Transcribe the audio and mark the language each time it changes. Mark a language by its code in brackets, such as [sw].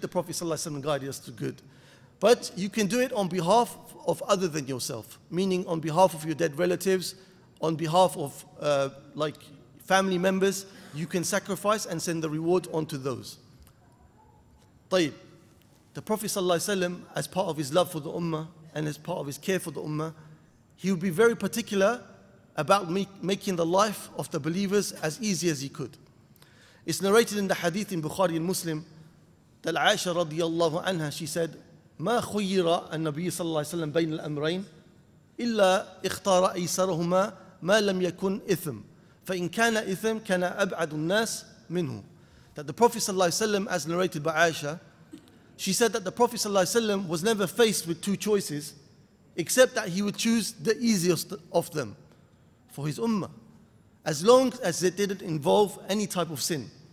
[en] The Prophet ﷺ guided us to good. But you can do it on behalf of other than yourself, meaning on behalf of your dead relatives, on behalf of like family members, you can sacrifice and send the reward onto those. [ar] طيب. [en] The Prophet ﷺ, as part of his love for the ummah and as part of his care for the ummah, he would be very particular about making the life of the believers as easy as he could. It's narrated in the hadith in Bukhari and Muslim that Aisha radiallahu anha, she said, [ar] مَا خُيِّرَ النَّبِيِّ صَلَّى اللَّهِ سَلَّمْ بَيْنَ الْأَمْرَيْنِ إِلَّا اِخْتَارَ أَيْسَرَهُمَا مَا لَمْ يَكُنْ إِثْمٍ فَإِنْ كَانَ إِثْمٍ كَانَ أَبْعَدُ النَّاسِ مِنْهُ. [en] That the Prophet صلى الله عليه وسلم, as narrated by Aisha, she said that the Prophet صلى الله عليه وسلم was never faced with two choices except that he would choose the easiest of them for his ummah, as long as it didn't involve any type of sin.